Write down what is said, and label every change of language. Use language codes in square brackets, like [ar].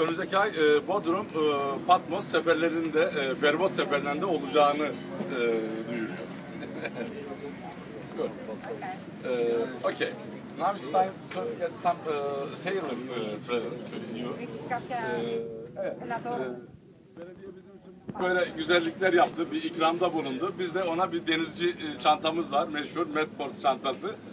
[tr] Önümüzdeki ay Bodrum, Patmos seferlerinde, feribot seferlerinde olacağını duyuruyor. [en] Okay. Now it's time to get some sailing present to you. [tr] Böyle güzellikler yaptı, bir ikramda bulundu. Biz de ona bir denizci çantamız var, meşhur Medport çantası.